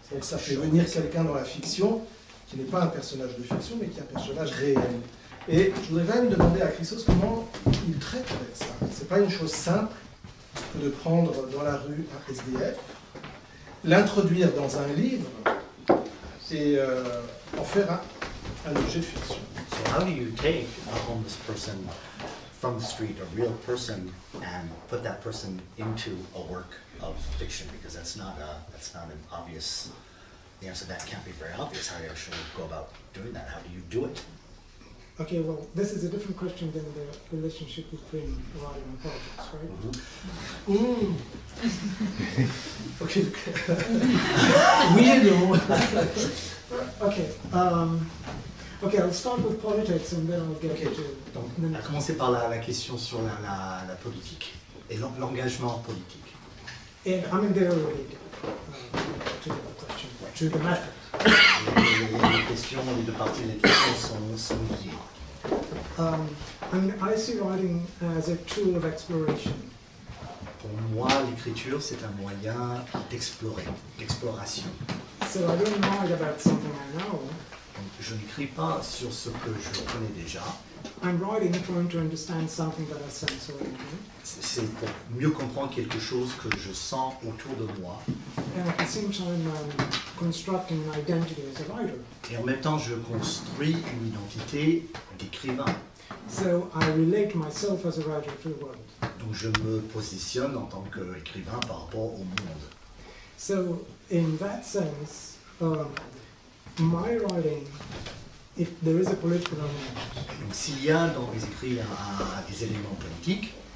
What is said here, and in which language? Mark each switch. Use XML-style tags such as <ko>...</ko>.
<fr>Donc ça fait venir quelqu'un dans la fiction qui n'est pas un personnage de fiction, mais qui est un personnage réel. Et je voudrais même demander à Christos comment il traite avec ça. C'est pas une chose simple de prendre dans la rue un SDF, l'introduire dans un livre et en faire un objet de fiction.</fr> <en>So how do you take on this person from the street, a real person, and put that person into a work of fiction, because that's not an obvious, the answer to that can't be very obvious. How do you actually go about doing that? How do you do it? Okay, well, this is a different question than the relationship between writing and politics, right? Mm-hmm. Ooh! Okay. Weirdo! Okay, okay, I'll start with politics and then I'll get okay. to...</en> <fr>Donc, on va commencer par la question sur la politique et l'engagement politique.</fr> <en>And I'm in there already to the question, to the matter.</en> <fr>Les questions, les deux parties des questions sont liées.</fr> <en>I see writing as a tool of exploration.</en> <fr>Pour moi, l'écriture, c'est un moyen d'explorer, d'exploration.</fr> <en>So I don't mind about something I know.</en> <fr>Donc, je n'écris pas sur ce que je connais déjà.</fr> <en>I'm writing trying to understand something that I sense around me.</en> <fr>C'est pour mieux comprendre quelque chose que je sens autour de moi.</fr> <en>And at the same time, I'm constructing an identity as a writer.</en> <fr>Et en même temps, je construis une identité d'écrivain.</fr> <en>So I relate myself as a writer to the world.</en> <fr>Donc je me positionne en tant qu'écrivain par rapport au monde.</fr> <en>So in that sense, my writing, if there is a political element.</en> <fr>Donc s'il y a dans mes écrits des éléments politiques,</fr>